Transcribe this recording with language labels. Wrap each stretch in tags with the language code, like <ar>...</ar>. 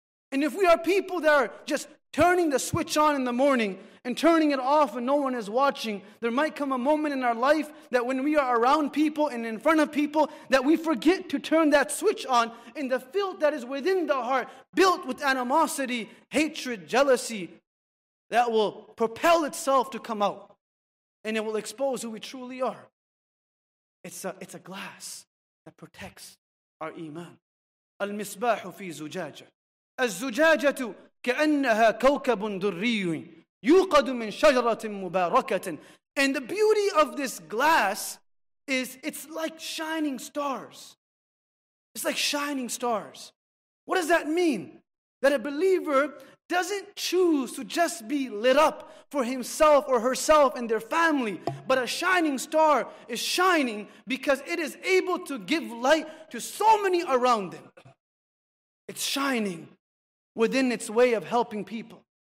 <en>And if we are people that are just turning the switch on in the morning and turning it off when no one is watching, there might come a moment in our life that when we are around people and in front of people, that we forget to turn that switch on, and the filth that is within the heart, built with animosity, hatred, jealousy, that will propel itself to come out. And it will expose who we truly are. It's a glass that protects our iman.</en> <ar>Al-misbahu fi zujaja. الزجاجة كأنها كوكب دري يوقد من شجرة مباركة.</ar> <en>And the beauty of this glass is it's like shining stars. It's like shining stars. What does that mean? That a believer doesn't choose to just be lit up for himself or herself and their family, but a shining star is shining because it is able to give light to so many around them. It's shining within its way of helping people.</en>